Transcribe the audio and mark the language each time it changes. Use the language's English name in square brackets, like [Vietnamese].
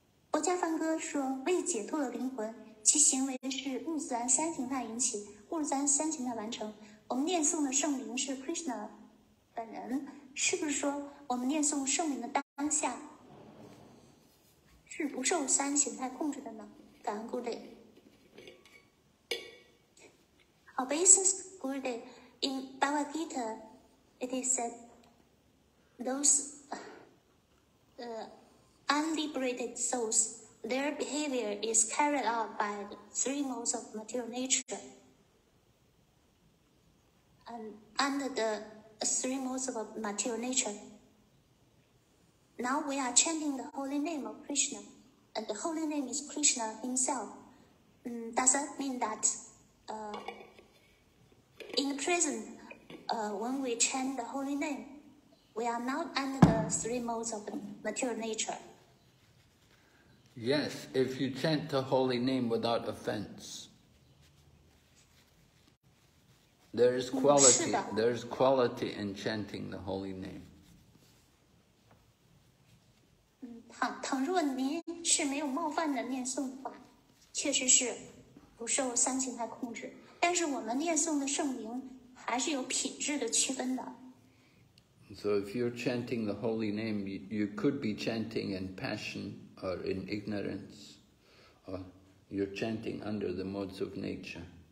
[Chinese] 薄伽梵歌说，为解脱了灵魂，其行为是物自然三形态引起，物自然三形态完成。我们念诵的圣灵是 Krishna 本人，是不是说我们念诵圣灵的当下是不受三形态控制的呢？感恩 Gurudev。 [English] Obeisance Gurudev, in Bhagavad Gita, it is said those unliberated souls, their behavior is carried out by the three modes of material nature. And under the three modes of material nature, now we are chanting the holy name of Krishna, and the holy name is Krishna himself. Does that mean that in the present, when we chant the holy name, we are not under the three modes of material nature? Yes, if you chant the holy name without offense, there is quality. There is quality in chanting the holy name. [Chinese] 倘若您是没有冒犯的念诵的话，确实是不受三形态控制。但是我们念诵的圣名还是有品质的区分的。 [English] So if you're chanting the holy name, you could be chanting in passion or in ignorance, or you're chanting under the modes of nature.